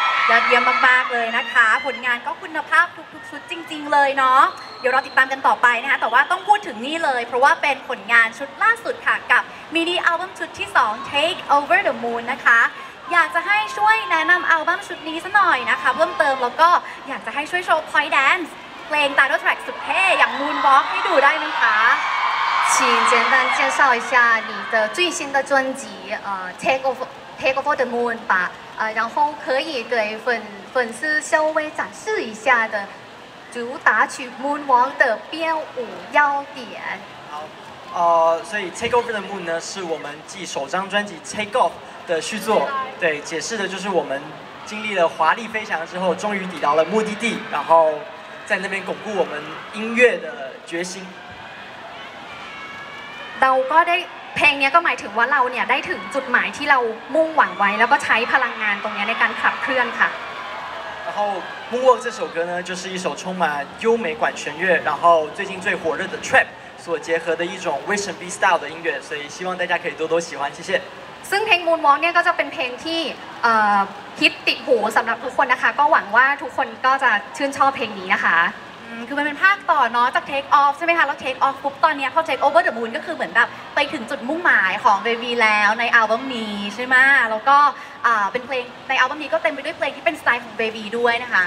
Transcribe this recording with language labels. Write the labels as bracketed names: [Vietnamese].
[Thai] ยอดเยี่ยมมากๆเลยนะคะผลงานก็คุณภาพทุกๆชุดจริงๆเลยเนาะเดี๋ยวเราติดตามกันต่อไปนะคะแต่ว่าต้องพูดถึงนี่เลยเพราะว่าเป็นผลงานชุดล่าสุดค่ะกับมินิอัลบั้มชุดที่2 Take Over the Moon นะคะอยากจะให้ช่วยแนะนำอัลบั้มชุดนี้ซะหน่อยนะคะเพิ่มเติมแล้วก็อยากจะให้ช่วยโชว์ Point Danceเพลง Title Track สุดเท่อย่าง Moonwalk ให้ดูได้ไหมคะ [Chinese] 请简单介绍一下你的最新的专辑Take Over the Moon 吧然后可以给粉丝稍微展示一下的主打曲 Moon 王的编舞要点。好，所以 Take Off the Moon 呢，是我们继首张专辑 Take Off 的续作，对，解释的就是我们经历了华丽飞翔之后，终于抵达了目的地，然后在那边巩固我们音乐的决心。 [Thai] เราก็ได้เพลงนี้ก็หมายถึงว่าเราเนี่ยได้ถึงจุดหมายที่เรามุ่งหวังไว้แล้วก็ใช้พลังงานตรงนี้ในการขับเคลื่อนค่ะ [Chinese] 然后 Moonwalk 这首歌呢就是一首充满优美管弦乐然后最近最火热的 Trap 所结合的一种 Western Beat Style 的音乐所以希望大家可以多多喜欢谢谢 [Thai] ซึ่งเพลง Moonwalk เนี่ยก็จะเป็นเพลงที่ฮิตติดหูสำหรับทุกคนนะคะก็หวังว่าทุกคนก็จะชื่นชอบเพลงนี้นะคะ คือมันเป็นภาคต่อเนาะจาก Take Off ใช่ไหมคะแล้ว Take Off ปุ๊บตอนนี้พอ Take Over the Moon ก็คือเหมือนแบบไปถึงจุดมุ่งหมายของ Baby แล้วในอัลบั้มนี้ใช่ไหมแล้วก็เป็นเพลงในอัลบั้มนี้ก็เต็มไปด้วยเพลงที่เป็นสไตล์ของ Baby ด้วยนะคะ